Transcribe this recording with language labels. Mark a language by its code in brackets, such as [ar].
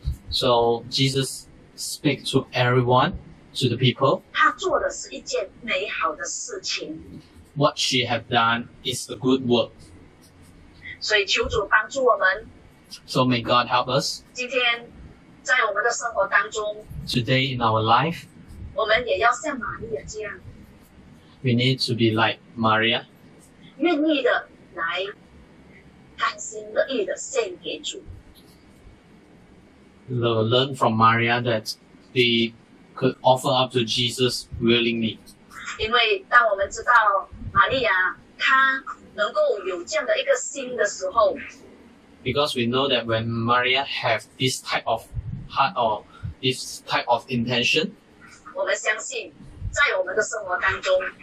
[en] so Jesus speak to everyone, to the people, [zh] 她做的是一件美好的事情, [en] what she have done is a good work. [zh] 所以求主帮助我们, [en] so may God help us. [zh] 今天在我们的生活当中, [en] today in our life, [zh] 我们也要像玛利亚这样, [en] we need to be like Maria, [zh] 愿意的来, 甘心乐意的献给主。 [en] Learn from Maria that they could offer up to Jesus willingly. [zh] 因为当我们知道玛利亚, 她能够有这样的一个心的时候, [en] because we know that when Maria have this type of heart or this type of intention, [zh] 我们相信在我们的生活当中,